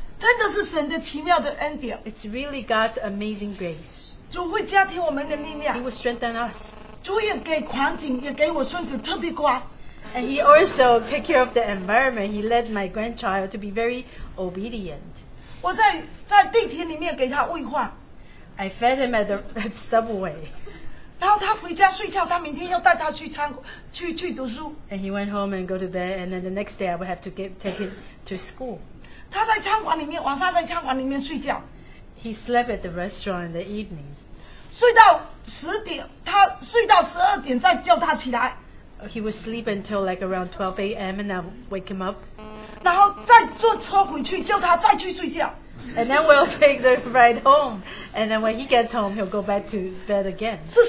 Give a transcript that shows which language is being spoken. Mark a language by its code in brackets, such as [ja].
[zh] 真的是神的奇妙的恩典, [en] it's really God's amazing grace. [zh] 主会加添我们的力量, [en] he will strengthen us. [zh] 主也给环境, 也给我孙子特别乖, [en] and he also take care of the environment. He led my grandchild to be very obedient. [zh] 我在地铁里面给他喂饭, [en] I fed him at Subway. [zh] 然后他回家睡觉, 他明天要带他去读书, [en] and he went home and go to bed, and then the next day I would have to take him to school. [zh] 他在餐馆里面, 晚上在餐馆里面睡觉, [en] he slept at the restaurant in the evening. [zh] 睡到十点，他睡到十二点再叫他起来。 [en] He would sleep until like around 12 a.m. and I would wake him up. [zh] 然后再坐车回去，叫他再去睡觉。 [en] And then we'll take the ride home. And then when he gets home, he'll go back to bed again.